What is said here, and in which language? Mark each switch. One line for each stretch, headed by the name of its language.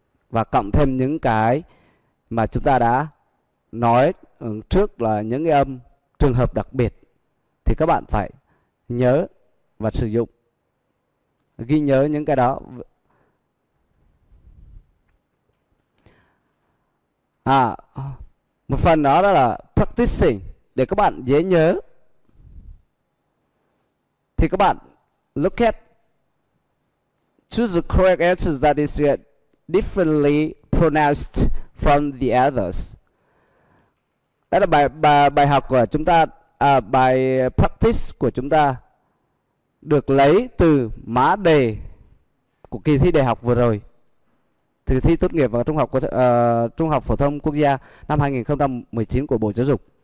Vietnamese: Và cộng thêm những cái mà chúng ta đã nói trước là những cái âm trường hợp đặc biệt thì các bạn phải nhớ và sử dụng, ghi nhớ những cái đó. À, một phần đó là practicing để các bạn dễ nhớ. Thì các bạn
English: look at, choose the correct answer that is differently pronounced from the others.
Vietnamese: Đó là bài học của chúng ta, bài practice của chúng ta được lấy từ mã đề của kỳ thi đại học vừa rồi, kỳ thi tốt nghiệp và trung học phổ thông quốc gia năm 2019 của Bộ Giáo dục.